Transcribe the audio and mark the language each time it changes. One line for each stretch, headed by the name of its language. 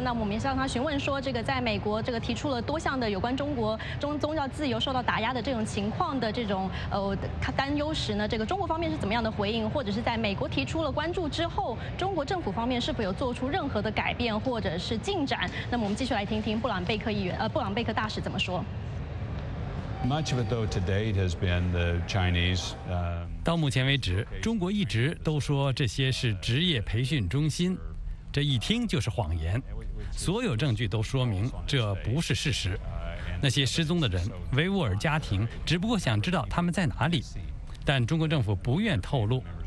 Chinese: 那我们也向他询问说，这个在美国这个提出了多项的有关中国宗教自由受到打压的这种情况的这种担忧时呢，这个中国方面是怎么样的回应，或者是在美国提出了关注之后，中国政府方面是否有做出任何的改变或者是进展？那么我们继续来听听布朗贝克议员布朗贝克大使怎么说。
English: Much of it, though, to date has been the Chinese.
Chinese: 到目前为止，中国一直都说这些是职业培训中心，这一听就是谎言。所有证据都说明这不是事实。那些失踪的人，维吾尔家庭只不过想知道他们在哪里，但中国政府不愿透露。